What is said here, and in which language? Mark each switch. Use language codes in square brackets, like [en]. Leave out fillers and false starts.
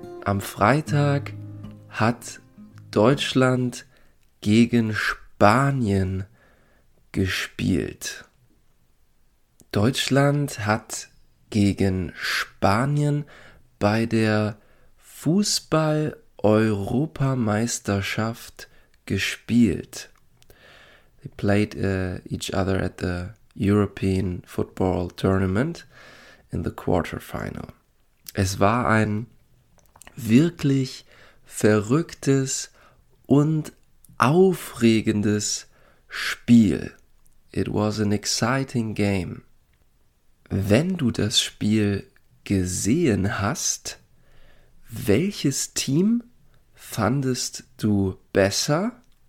[de] Am Freitag hat Deutschland gegen Spanien gespielt. Deutschland hat gegen Spanien bei der Fußball-Europameisterschaft gespielt. [en] They played each other at the European Football Tournament in the quarterfinal. [de] Es war ein wirklich verrücktes und aufregendes Spiel. [en] It was an exciting game. [de] Wenn du das Spiel gesehen hast, welches Team fandest du besser?